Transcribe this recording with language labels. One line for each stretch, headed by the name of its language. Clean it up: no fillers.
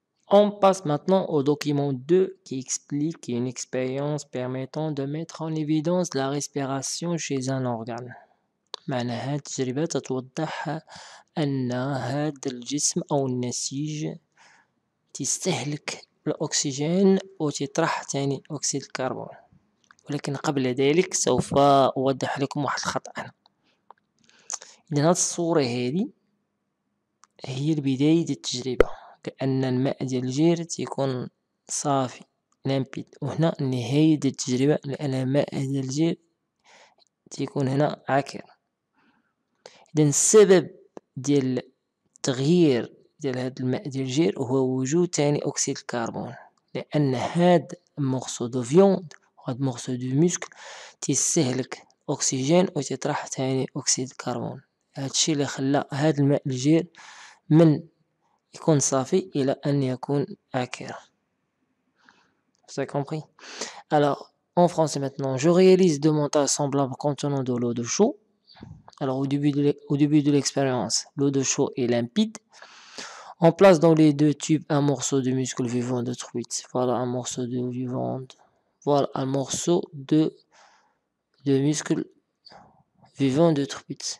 French: On passe maintenant au document 2 qui explique une expérience permettant de mettre en évidence la respiration chez un organe.
Arabic: معنى هذه التجربة توضح أن هذا الجسم أو النسيج تستهلك الأكسجين وتطرح ثاني أكسيد الكربون. ولكن قبل ذلك سوف أوضح لكم واحد الخطأ. إذا هذه الصورة هذه هي البداية التجربة. كأن الماء ديال الجير تيكون صافي لامبيد وهنا نهاية التجربة لأن الماء ديال الجير تيكون هنا عكر إذن السبب ديال التغيير ديال هذا الماء ديال الجير هو وجود ثاني أكسيد الكربون لأن هاد مغصو دو فيوند وهاد مغصو دو مسكل تيستهلك أكسجين وتطرح ثاني أكسيد الكربون هادشي اللي خلى هاد الماء الجير من يكون صافي إلى أن يكون عكر.
French: C'est compris. Alors, en français maintenant, je réalise deux montages semblables contenant de l'eau de chaud. Alors, au début de l'expérience, l'eau de chaud est limpide. On place dans les deux tubes un morceau de muscle vivant détruit. Voilà un morceau de vivant. Voilà un morceau de muscle vivant détruit.